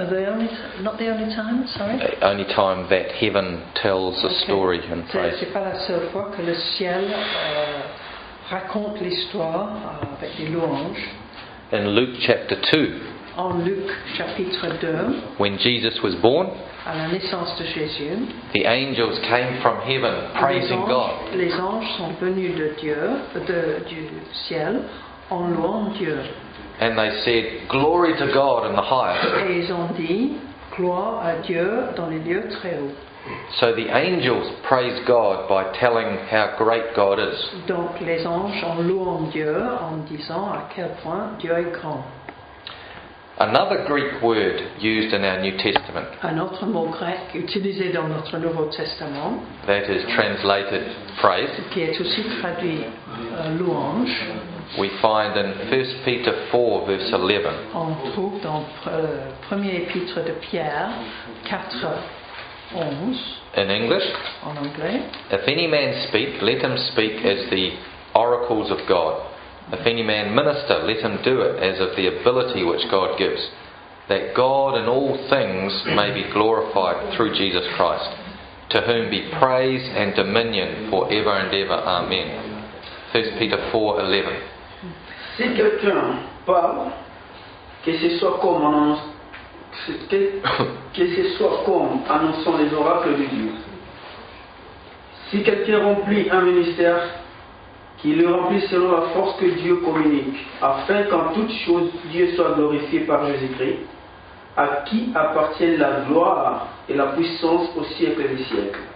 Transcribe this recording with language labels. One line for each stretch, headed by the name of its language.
English: Only time that heaven tells a story in praise.
French: C'est pas la seule fois que le ciel raconte l'histoire avec des louanges.
English: In Luke chapter 2.
French: En Luc chapitre 2.
English: When Jesus was born.
French: À la naissance de Jésus.
English: The angels came from heaven praising God.
French: Les anges sont venus de Dieu, du ciel, en louant Dieu.
English: And they said, "Glory to God in the highest."
French: Et ils ont dit, gloire à Dieu dans les lieux très hauts.
English: So the angels praise God by telling how great God is.
French: Donc les anges en louant Dieu en disant à quel point Dieu est grand.
English: Another Greek word used in our New Testament.
French: Un autre mot grec utilisé dans notre Nouveau Testament.
English: That is translated praise.
French: Qui est aussi traduit louange.
English: We find in 1 Peter 4 verse 11.
French: On trouve dans 1er épître de Pierre 4 11.
English: In English.
French: En anglais.
English: If any man speak, let him speak as the oracles of God. If any man minister, let him do it as of the ability which God gives, that God in all things may be glorified through Jesus Christ, to whom be praise and dominion for ever and ever. Amen. 1 Peter 4:11.
French: Si quelqu'un parle, que ce soit comme annonçant les oracles de Dieu. Si quelqu'un remplit un ministère, qu'il le remplisse selon la force que Dieu communique, afin qu'en toutes choses Dieu soit glorifié par Jésus-Christ, à qui appartiennent la gloire et la puissance au siècle des siècles.